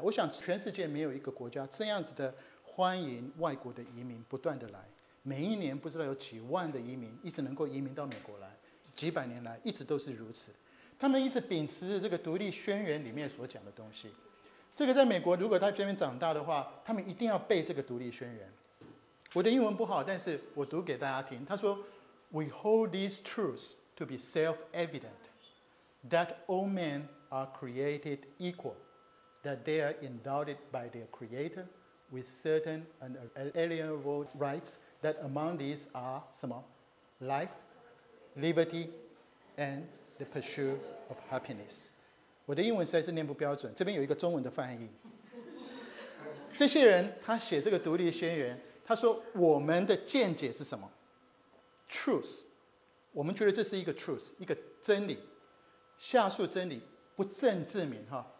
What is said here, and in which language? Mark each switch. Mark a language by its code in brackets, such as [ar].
[zh] 我想全世界没有一个国家这样子的欢迎外国的移民不断的来，每一年不知道有几万的移民一直能够移民到美国来，几百年来一直都是如此。他们一直秉持着这个独立宣言里面所讲的东西，这个在美国如果在这边长大的话，他们一定要背这个独立宣言。我的英文不好，但是我读给大家听。他说 [en] We hold these truths to be self-evident, that all men are created equal, that they are endowed by their creator with certain unalienable rights, that among these are [zh] 什么 [en] life, liberty, and the pursuit of happiness。 [zh] 我的英文实在是念不标准，这边有一个中文的翻译。这些人他写这个独立宣言，他说我们的见解是什么 ？Truth， 我们觉得这是一个 truth， 一个真理，下述真理不证自明哈。